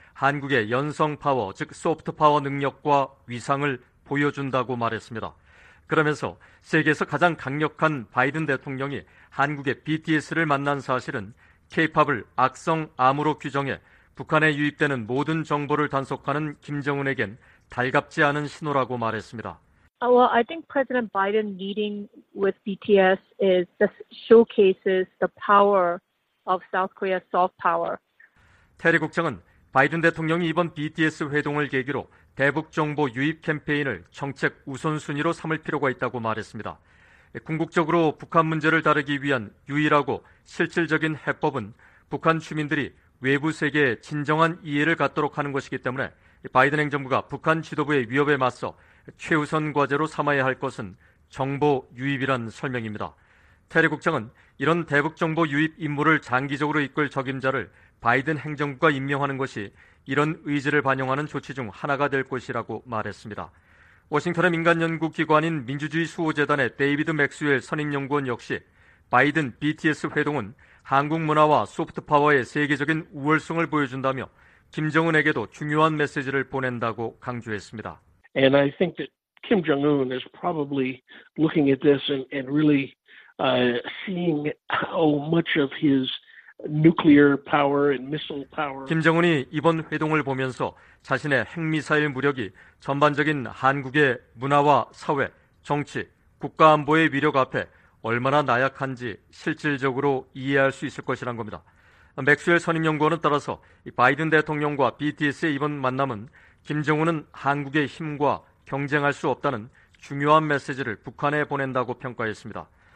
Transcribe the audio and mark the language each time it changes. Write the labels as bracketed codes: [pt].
[ko] 한국의 연성 파워, 즉 소프트 파워 능력과 위상을 보여준다고 말했습니다. 그러면서 세계에서 가장 강력한 바이든 대통령이 한국의 BTS를 만난 사실은 K-POP을 악성 암으로 규정해 북한에 유입되는 모든 정보를 단속하는 김정은에겐 달갑지 않은 신호라고 말했습니다. [en] Well, I think President Biden meeting with BTS is just showcases the power of South Korea's soft power. [ko] 테리 국장은 바이든 대통령이 이번 BTS 회동을 계기로 대북 정보 유입 캠페인을 정책 우선순위로 삼을 필요가 있다고 말했습니다. 궁극적으로 북한 문제를 다루기 위한 유일하고 실질적인 해법은 북한 주민들이 외부 세계에 진정한 이해를 갖도록 하는 것이기 때문에 바이든 행정부가 북한 지도부의 위협에 맞서 최우선 과제로 삼아야 할 것은 정보 유입이란 설명입니다. 테리 국장은 이런 대북 정보 유입 임무를 장기적으로 이끌 적임자를 바이든 행정부가 임명하는 것이 이런 의지를 반영하는 조치 중 하나가 될 것이라고 말했습니다. 워싱턴의 민간연구기관인 민주주의 수호재단의 데이비드 맥스웰 선임연구원 역시 바이든 BTS 회동은 한국 문화와 소프트 파워의 세계적인 우월성을 보여준다며 김정은에게도 중요한 메시지를 보낸다고 강조했습니다. [en] And I think that Kim Jong-un is probably looking at this and really seeing how much of his nuclear power and missile power. [ko] 김정은이 이번 회동을 보면서 자신의 핵미사일 무력이 전반적인 한국의 문화와 사회, 정치, 국가안보의 위력 앞에 얼마나 나약한지 실질적으로 이해할 수 있을 것이란 겁니다. 맥스웰 선임연구원은 따라서 바이든 대통령과 BTS의 이번 만남은 김정은은 한국의 힘과 경쟁할 수 없다는 중요한 메시지를 북한에 보낸다고 평가했습니다.